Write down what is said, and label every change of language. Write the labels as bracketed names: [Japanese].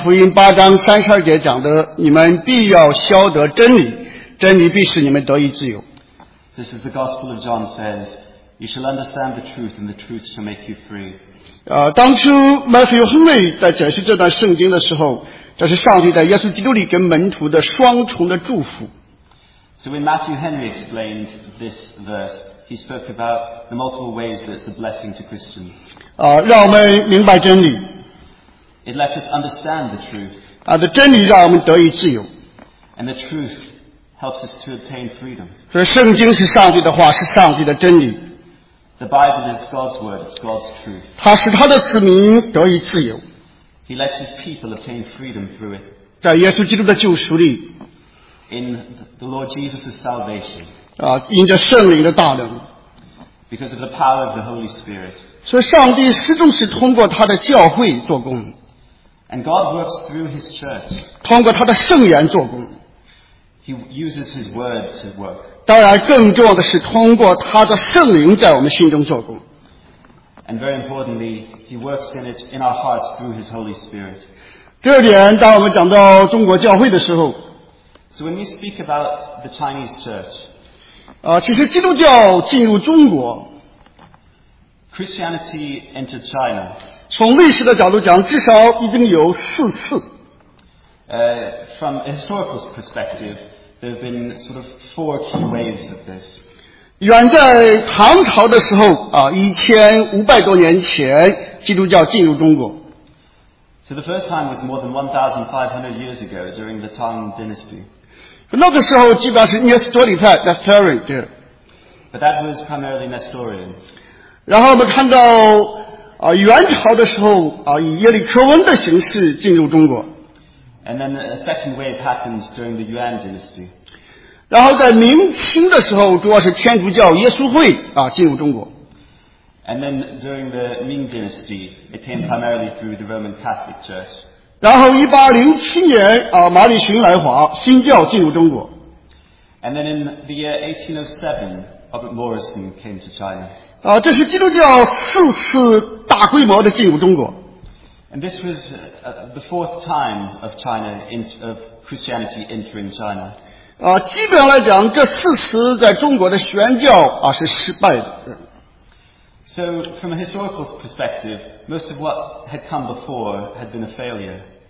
[Chinese] 正如耶稣基督在约翰福音8章32节讲的， 你们必要晓得真理， 真理必使你们得以自由。 [English] This is the Gospel of John says, you shall understand the truth, and the truth shall make you free. [Chinese] 当初 Matthew Henry 在解释这段圣经的时候， 这是上帝在耶稣基督里跟门徒的双重的祝福。 [English] So when Matthew Henry explained this verse, he spoke about the multiple ways that it's a blessing to Christians. [Chinese] 让我们明白真理。 [English] It lets us understand the truth. [Chinese] 真理让我们得以自由。 [English] And the truth helps us to obtain freedom. [Chinese] 所以圣经是上帝的话， 是上帝的真理。 [English] The Bible is God's word, it's God's truth. [Chinese] 它使他的子民得以自由。 [English] He lets his people obtain freedom through it. [Chinese] 在耶稣基督的救赎里。 [English] In the Lord Jesus' salvation. [Chinese] 因着圣灵的大能。 [English] Because of the power of the Holy Spirit. [Chinese] 所以上帝始终是通过他的教会做工。 [English] And God works through his church. [Chinese] 通过他的圣言做工。 [English] He uses his word to work. [Chinese] 当然更重要的是通过他的圣灵在我们心中做工。 [English] And very importantly, he works in it in our hearts through his Holy Spirit. [Chinese] 这点当我们讲到中国教会的时候， [English] So when we speak about the Chinese church, [Chinese] 其实基督教进入中国， [English] Christianity entered China. [Chinese] 从历史的角度讲，至少已经有4次。 [English] From a historical perspective, there have been sort of 4 key waves of this. [Chinese] 远在唐朝的时候， 1500多年前， 基督教进入中国。 [English] So the first time was more than 1500 years ago during the Tang Dynasty. [Chinese] 那个时候基本上是 Nestorian 的 Theory， [English] But that was primarily Nestorian. [Chinese] 然后我们看到, 元朝的时候, 以耶律克温的形式进入中国。 [English] And then a second wave happens during the Yuan dynasty. [Chinese] 然后在明清的时候, 主要是天主教耶稣会, 进入中国。 [English] And then during the Ming dynasty, it came primarily through the Roman Catholic Church. [Chinese] 然后1807年, 马里逊来华, 新教进入中国。 [English] And then in the year 1807, Robert Morrison came to China. [Chinese] 这是基督教四次大规模的进入中国。 [English] And this was the fourth time of China, of Christianity entering China. [Chinese] 基本上来讲, 这四次在中国的宣教, 是失败的。 [English] So from a historical perspective, most of what had come before had been a failure.